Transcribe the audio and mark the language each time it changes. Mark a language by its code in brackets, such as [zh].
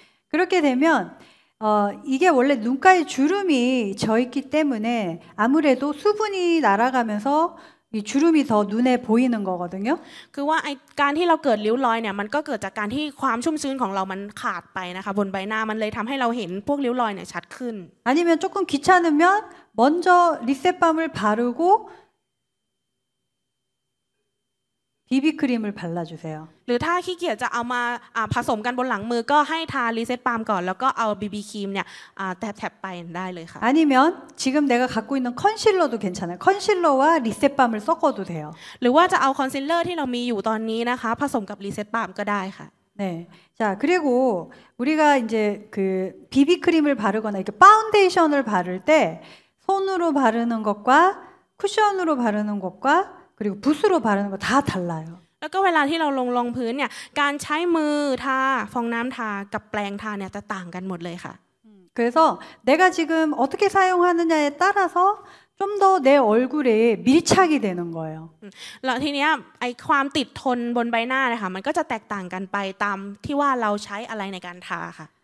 [ko] 그렇게되면이게원래눈가에주름이져있기때문에아무래도수분이날아가면서이주름이더눈에보이는거거든요 [th] 그와이การที่เราเกิดริ้วรอยเนี่ยมันก็เกิดจากการที่ความชุ่มชื้นของเรามันขาดไปนะคะบนใบหน้ามันเลยทําให้เราเห็นพวกริ้วรอยเนี่ยชัดขึ้น [ko] 아니면조금귀찮으면먼저리셋밤을바르고 BB 크림을발라주세요 [th] หรือถ้าขี้เกียจจะเอามาผสมกันบนหลังมือก็ให้ทารีเซ็ตบัมก่อนแล้วก็เอา BB ครีมเนี่ยแทบๆไปได้เลยค่ะ [ko] 아니면지금내가갖고있는컨실러도괜찮아요컨실러와리셋밤을섞어도돼요 [th] หรือว่าจะเอาคอนซีลเลอร์ที่เรามีอยู่ตอนนี้นะคะผสมกับรีเซ็ตบัมก็ได้ค่ะ [ko] 네자그리고우리가이제그 BB 크림을바르거나이렇게파운데이션을바를때손으로바르는것과쿠션으로바르는것과그리고붓으로바르는것다달라요 [th] แล้วก็เวลาที่เราลงรองพื้นเนี่ยการใช้มือทาฟองน้ําทากับแปรงทาเนี่ยจะต่างกันหมดเลยค่ะ [ko] 그래서내가지금어떻게사용하느냐에따라서좀더내얼굴에밀착이되는거예요 [th] แล้วทีเนี้ยไอ้ความติดทนบนใบหน้านะคะมันก็จะแตกต่างกันไปตามที่ว่าเราใช้อะไรในการทาค่ะ